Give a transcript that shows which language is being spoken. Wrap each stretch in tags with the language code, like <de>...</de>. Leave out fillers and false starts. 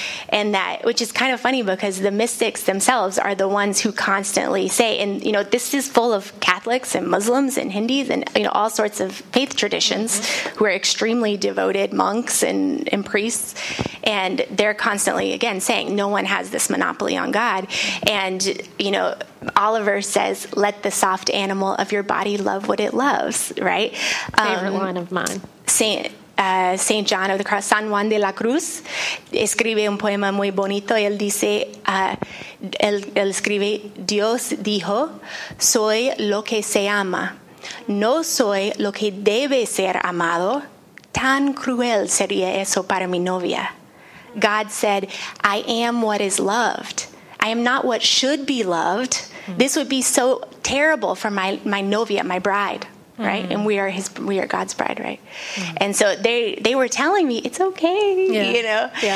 <en>And that, which is kind of funny, because the mystics themselves are the ones who constantly say, and, you know, this is full of Catholics and Muslims and Hindus and, you know, all sorts of faith traditions who are extremely devoted monks and priests. And they're constantly, again, saying no one has this monopoly on God. And, you know, Oliver says, let the soft animal of your body love what it loves, right? Favorite line of mine.</en> <es>Saint John of the Cross, San Juan de la Cruz, escribe un poema muy bonito. Él dice, él escribe, Dios dijo, soy lo que se ama. No soy lo que debe ser amado. Tan cruel sería eso para mi novia.</es> <en>God said, I am what is loved. I am not what should be loved. This would be so terrible for my novia, my bride, right? And we are God's bride, right? And so they were telling me it's okay, you know.</en>